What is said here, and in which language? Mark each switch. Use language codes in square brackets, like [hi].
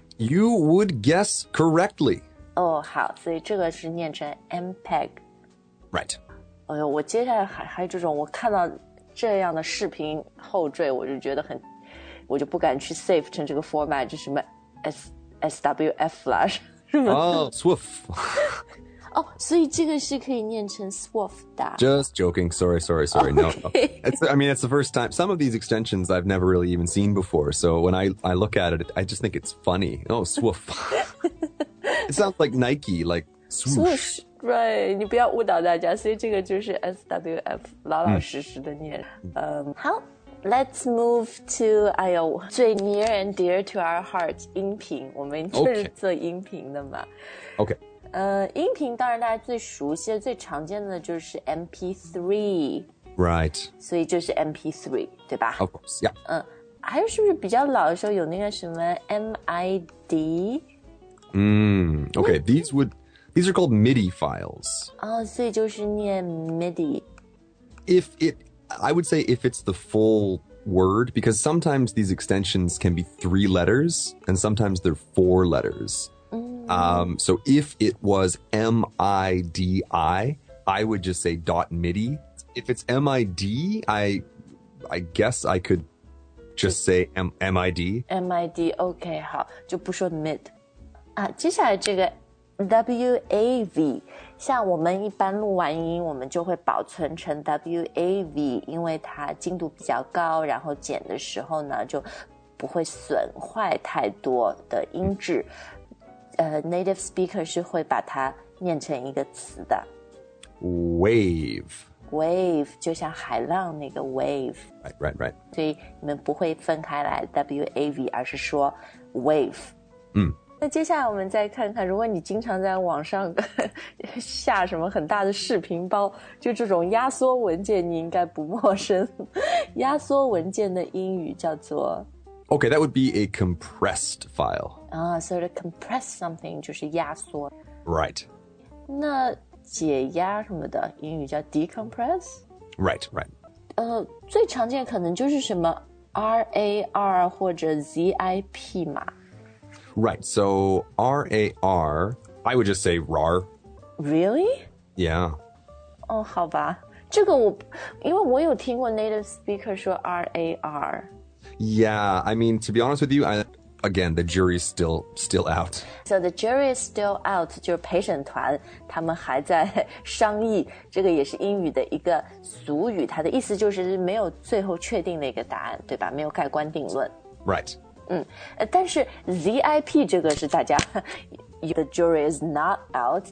[en] You would guess correctly. [zh] Oh, 好,所以这个是念成 MPEG. [en] Right. [zh] 我接下来还有这种,我看到这样的视频后缀,我就觉得很,我就不敢去 save 成这个 format, 就什么 SWF 啦,是吗? [en] SWF. [zh] 所以这个是可以念成 SWF 的。 [en] Just joking. Sorry. Okay. No. It's the first time. Some of these extensions I've never really even seen before. So when I look at it, I just think it's funny. Oh, SWF. It sounds like Nike, like swoosh. Swoosh, right. [zh] 你不要误导大家。所以这个就是 SWF, 老老实实的念。 [en] 好 ,let's move to, 最 near and dear to our hearts, 音频。 [zh] 我们就是做音频的嘛。 [en] Okay. [zh] 音频当然大家最熟悉的最常见的就是 MP3 [en] Right [zh] 所以就是 MP3 对吧 [en] Of course, yeah [zh] 还有是不是比较老的时候有那个什么 MID [en] Okay, these are called MIDI files [zh] 所以就是念 MIDI [en] I would say if it's the full word because sometimes these extensions can be three letters and sometimes they're four lettersSo if it was MIDI, I would just say .MIDI. If it's MID, I guess I could just say MID. [zh] MID, okay, 好,就不说 MID. 接下来这个 WAV, 像我们一般录完音,我们就会保存成 WAV, 因为它精度比较高,然后剪的时候呢,就不会损坏太多的音质。 Native speaker 是会把它念成一个词的 [en] Wave [zh] wave 就像海浪那个 wave. [en] Right, right, right. [zh] 所以你们不会分开来 WAV, 而是说 wave. 那接下来我们再看看，如果你经常在网上下什么很大的视频包，就这种压缩文件你应该不陌生。压缩文件的英语叫做 [en] Okay, that would be a compressed file. So to compress something [zh] 就是压缩。 [en] Right. [zh] 那解压什么的英语叫 decompress? [en] Right, right. [zh] 最常见可能就是什么 RAR 或者 ZIP 嘛。 [en] Right, so RAR, I would just say RAR. Really? Yeah. [zh] 哦、oh, 好吧。这个我因为我有听过 native speaker 说 RAR. [en] Yeah, I mean, to be honest with you, again, the jury is still out. So the jury is still out, [zh] 就是陪审团他们还在商议。这个也是英语的一个俗语，它的意思就是没有最后确定的一个答案，对吧？没有盖棺定论。 [en] Right. [zh] 但是 ZIP 这个是大家 [en] The jury is not out.